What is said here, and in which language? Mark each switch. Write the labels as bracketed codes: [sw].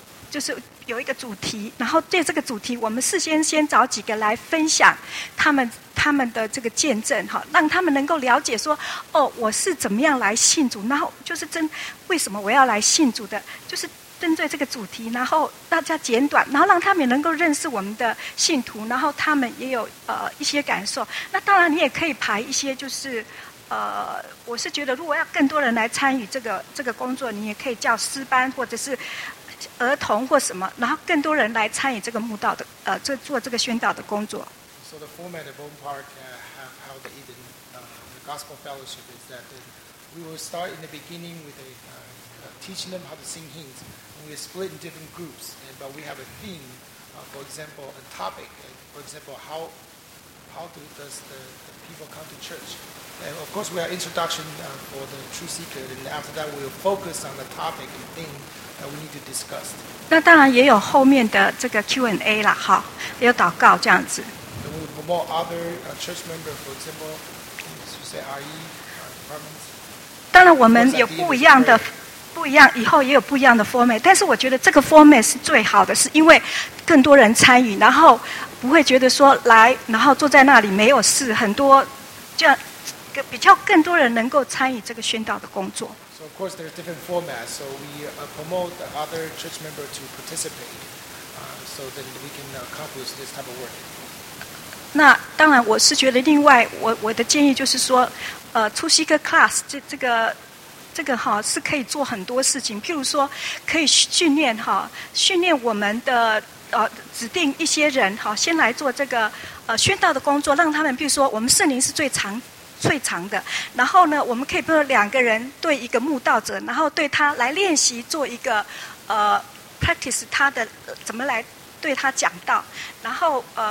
[zh] 就是有一个主题，然后对这个主题，我们事先找几个来分享他们的这个见证哈，让他们能够了解说哦，我是怎么样来信主，然后就是为什么我要来信主的，就是针对这个主题，然后大家简短，然后让他们也能够认识我们的信徒，然后他们也有一些感受。那当然，你也可以排一些，就是我是觉得如果要更多人来参与这个工作，你也可以叫诗班或者是儿童或什么，然后更多人来参与这个慕道的做这个宣道的工作。 [en] So the format of Bone Park have held even the Gospel Fellowship is that we will start in the beginning with teaching them how to sing hymns. And we split in different groups, but we have a theme, for example, a topic, for example, how does the people come to church? And of course, we have introduction for the truth seeker, and after that, we will focus on the topic and theme. We need to discuss. [zh] 那当然也有后面的这个 Q&A 啦，哈，也有祷告这样子。 [en] And we promote other church members, for example, to say RE departments. [zh] 当然我们有不一样，以后也有不一样的 format. 但是我觉得这个 format 是最好的，是因为更多人参与，然后不会觉得说来，然后坐在那里没有事，很多就比较更多人能够参与这个宣道的工作。 [en] So of course, there's different formats. So we promote the other church member to participate. so that we can accomplish this type of work. [zh] 那当然，我是觉得另外，我的建议就是说，出席一个 class， 这个哈是可以做很多事情，譬如说可以训练哈，训练我们的指定一些人哈，先来做这个宣道的工作，让他们譬如说我们圣灵是最长的，然后呢，我们可以比如说两个人对一个慕道者，然后对他来练习做一个practice 他的怎么来对他讲道，然后